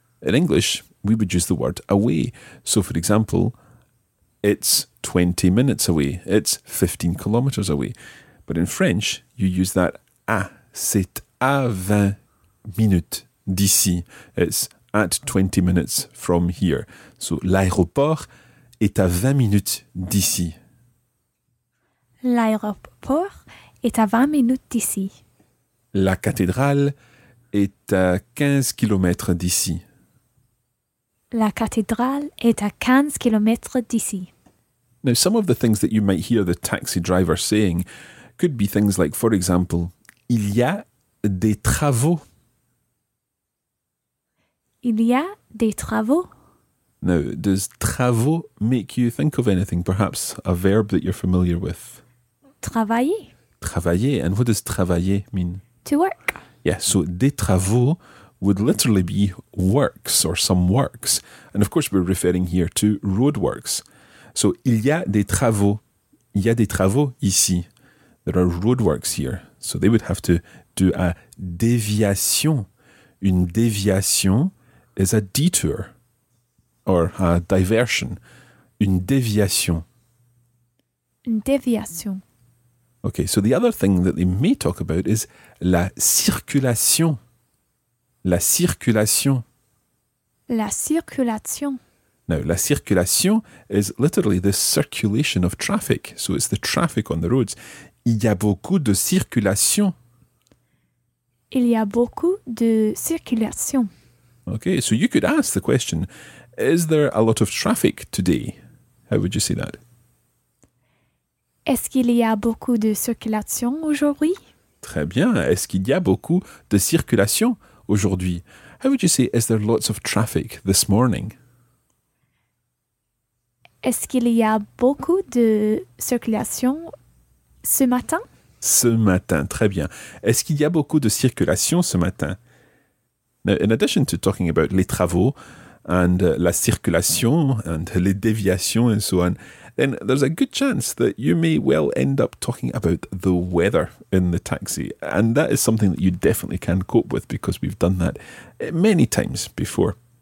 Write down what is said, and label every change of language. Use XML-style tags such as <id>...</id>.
<en>In English, we would use the word away. So, for example, it's 20 minutes away. It's 15 kilometers away. But in French, you use that à.</en> <fr>C'est à 20 minutes d'ici.</fr> <en>It's at 20 minutes from here.</en> <fr>So, l'aéroport est à 20 minutes d'ici. L'aéroport est à 20 minutes d'ici. La cathédrale est à 15 kilomètres d'ici. La cathédrale est à 15 kilomètres d'ici.</fr> <en>Now, some of the things that you might hear the taxi driver saying could be things like, for example,</en> <fr>il y a des travaux. Il y a des travaux.</fr> <en>Now, does travaux make you think of anything? Perhaps a verb that you're familiar with?</en> <fr>Travailler.</fr> <en>Travailler. And what does travailler mean? To work. Yeah, so des travaux would literally be works or some works. And of course, we're referring here to roadworks. So,</en> <fr>il y a des travaux. Il y a des travaux ici.</fr> <en>There are roadworks here. So, they would have to do a déviation. Une déviation is a detour or a diversion. Une déviation.</en> <fr>Une déviation.</fr> <en>Okay, so the other thing that they may talk about is la circulation.</en> <fr>La circulation. La circulation.</fr> <en>Now, la circulation is literally the circulation of traffic. So it's the traffic on the roads.</en> <fr>Il y a beaucoup de circulation. Il y a beaucoup de circulation.</fr> <en>Okay, so you could ask the question, is there a lot of traffic today? How would you say that?</en> <fr>Est-ce qu'il y a beaucoup de circulation aujourd'hui? Très bien. Est-ce qu'il y a beaucoup de circulation aujourd'hui?</fr> <en>How would you say, is there lots of traffic this morning?</en> <fr>Est-ce qu'il y a beaucoup de circulation ce matin? Ce matin, très bien. Est-ce qu'il y a beaucoup de circulation ce matin?</fr> <en>Now, in addition to talking about les travaux and la circulation and les déviations and so on, then there's a good chance that you may well end up talking about the weather in the taxi. And that is something that you definitely can cope with because we've done that many times before.</en>